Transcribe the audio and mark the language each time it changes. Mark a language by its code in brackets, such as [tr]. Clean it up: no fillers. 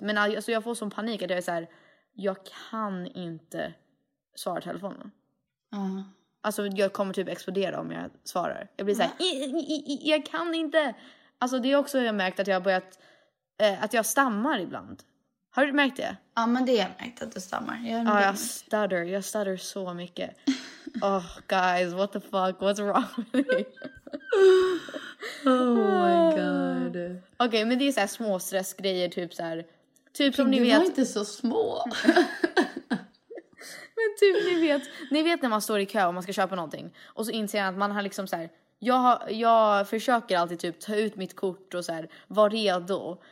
[sv] Men alltså jag får sån panik att jag är så här. Jag kan inte svara telefonen. Ja. Alltså jag kommer typ explodera om jag svarar. Jag blir så här, jag kan inte. Alltså det är också jag märkt att jag har börjat, att jag stammar ibland. Har du märkt det? Ja, men det är jag märkt att du stammar. Jag stutter så mycket. [en] Oh guys, what the fuck, what's wrong with me? Oh my god. [sv] Okej, men det är så här små stressgrejer typ så här. Typ som ni vet. Du var inte så små. Typ, ni vet när man står i kö och man ska köpa någonting. Och så inser jag att man har liksom så här. Jag försöker alltid typ ta ut mitt kort och så här, var redo.